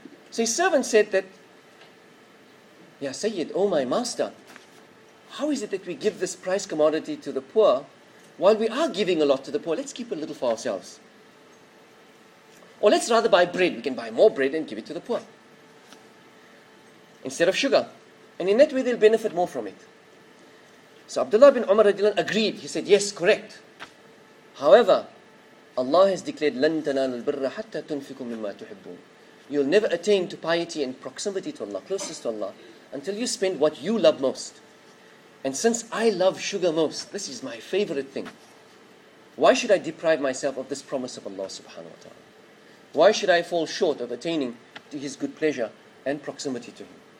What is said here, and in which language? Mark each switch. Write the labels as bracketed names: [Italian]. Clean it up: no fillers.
[English] So his servant said that, Ya Sayyid, oh my master, how is it that we give this prized commodity to the poor while we are giving a lot to the poor? Let's keep a little for ourselves. Or let's rather buy bread. We can buy more bread and give it to the poor instead of sugar. And in that way, they'll benefit more from it. So Abdullah bin Umar radiallahu agreed. He said, yes, correct. However, Allah has declared, [Arabic] لَن تَنَالُ الْبِرَّ حَتَّى تُنْفِكُم مِمَّا تُحِبُّونَ. [English] You'll never attain to piety and proximity to Allah, closest to Allah, until you spend what you love most. And since I love sugar most, this is my favorite thing. Why should I deprive myself of this promise of Allah subhanahu wa ta'ala? Why should I fall short of attaining to His good pleasure and proximity to Him?